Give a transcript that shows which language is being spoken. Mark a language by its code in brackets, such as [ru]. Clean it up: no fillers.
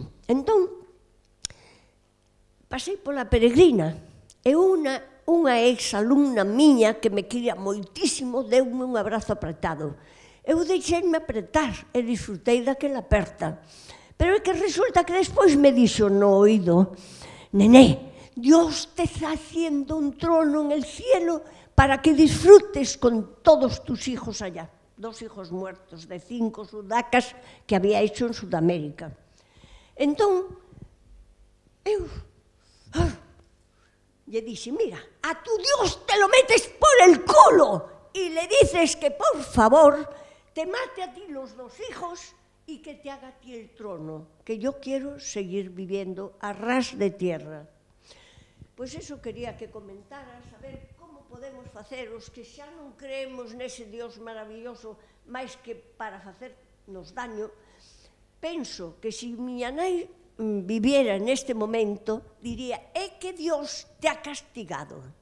[gl] Entón, pasei pola Peregrina, e unha ex-alumna miña que me quería moitísimo deu-me un abrazo apretado. Eu deixeime apretar e disfrutei daquela aperta. Pero é que resulta que despois me dixo no oído: [es] "Nené, Dios te está haciendo un trono en el cielo para que disfrutes con todos tus hijos allá." 2 hijos muertos de 5 sudacas que había hecho en Sudamérica. [gl] Entón, lle dixen: [es] "Mira, a tu Dios te lo metes por el culo e le dices que, por favor, te mate a ti los dos hijos y que te haga a ti el trono, que yo quiero seguir viviendo a ras de tierra. Pues eso quería que comentaras, [gl] a ver cómo podemos facer os que xa non creemos nese Dios maravilloso máis que para facernos daño. Penso que se miña nai viviera neste momento, diría, é que [es] Dios te ha castigado.